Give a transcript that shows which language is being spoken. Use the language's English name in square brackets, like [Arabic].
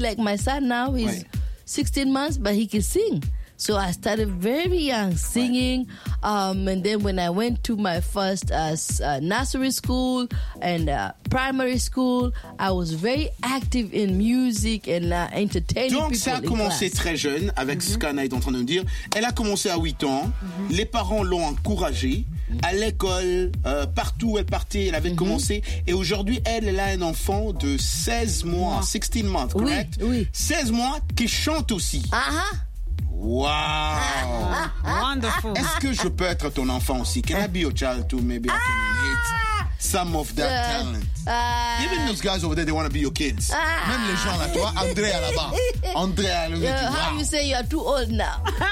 [English] Like my son now, he's 16 months, but he can sing. So I started very young singing. And then when I went to my first nursery school and primary school, I was very active in music and entertaining [French] Donc [English] people [French] Donc ça a commencé [English] class. [French] Très jeune avec ce qu'Anna est en train de nous dire. Elle a commencé à 8 ans. Mm-hmm. Les parents l'ont encouragée. À l'école, partout où elle partait, elle avait commencé. Et aujourd'hui, elle a un enfant de 16 mois. 16 mois, correct? Oui, oui. 16 mois qui chante aussi. Ah-ah. Wow. [English] Wonderful. [French] Est-ce que je peux être ton enfant aussi? [English] Can I be your child too? Maybe I can meet some of that talent. Even those guys over there, they want to be your kids. [French] Même les gens là, toi, Andrea là-bas. Andrea, le vieux. [English] How do you say you are too old now?